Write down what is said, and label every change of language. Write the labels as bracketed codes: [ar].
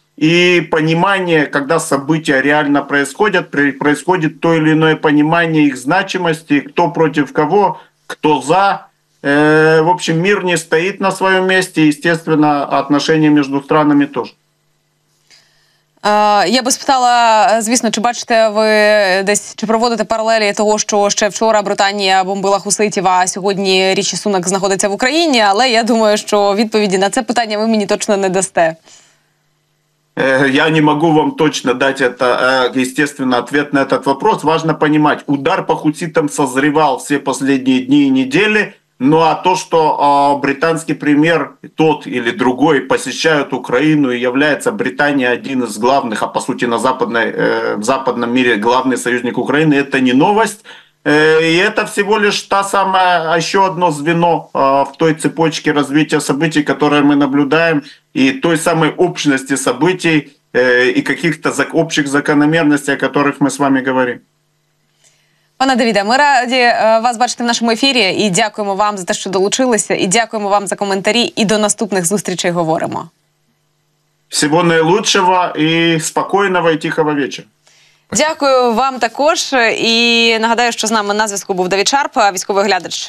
[ru] И понимание, когда события реально происходят, происходит то или иное понимание их значимости, кто против кого, кто за. В общем, мир не стоит на своем месте, естественно, отношения между странами тоже. [uk] Я би спитала, звісно, чи бачите ви десь, чи проводите паралелі того, що ще вчора Британія бомбила хуситів, а сьогодні Річі Сунак знаходиться в Україні, але я думаю, що відповіді на це питання ви мені точно не дасте. [ru] Я не могу вам точно дать это, естественно, ответ на этот вопрос. Важно понимать, удар по хуситам созревал все последние дни и недели. Ну а то, что британский премьер, тот или другой, посещают Украину и является Британия один из главных, а по сути на западной, в западном мире главный союзник Украины, это не новость. И это всего лишь та самая, еще одно звено в той цепочке развития событий, которое мы наблюдаем, и той самой общности событий и каких-то общих закономерностей, о которых мы с вами говорим. [uk] Пане Давіде, ми раді вас бачити в нашому ефірі і дякуємо вам за те, що долучилися, і дякуємо вам за коментарі, і до наступних зустрічей говоримо. Всього найкращого і спокійного, і тихого вечора. Дякую вам також. І нагадаю, що з нами на зв'язку був Давід Шарп, військовий глядач.